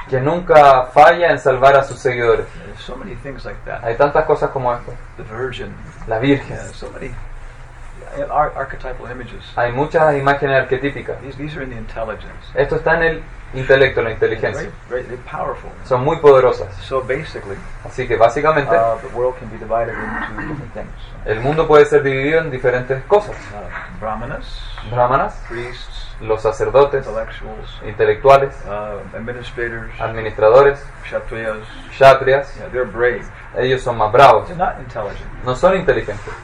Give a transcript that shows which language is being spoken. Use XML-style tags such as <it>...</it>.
<es>Que nunca falla en salvar a sus seguidores.</es> <en>So many things like that.</en> <es>Hay tantas cosas como esto.</es> <en>The virgin.</en> <es>La virgen.</es> <en>So many. archetypal images.</en> <es>Hay muchas imágenes arquetípicas.</es> <en>These are in the intelligence.</en> <es>Esto está en el intelecto, en la inteligencia.</es> <en>They're powerful.</en> <es>Son muy poderosas.</es> <en>So basically,</en> <es>así que básicamente,</es> <en>the world can be divided into different things.</en> <es>El mundo puede ser dividido en diferentes cosas.</es> <en>Brahmanas, priests,</en> <es>los sacerdotes,</es> <en>intellectuals,</en> <es>intelectuales,</es> <en>administrators,</en> <es>administradores,</es> <en>kshatriyas, yeah, they're brave.</en> <es>Ellos son más bravos.</es> <en>They're not intelligent.</en> <es>No son inteligentes.</es>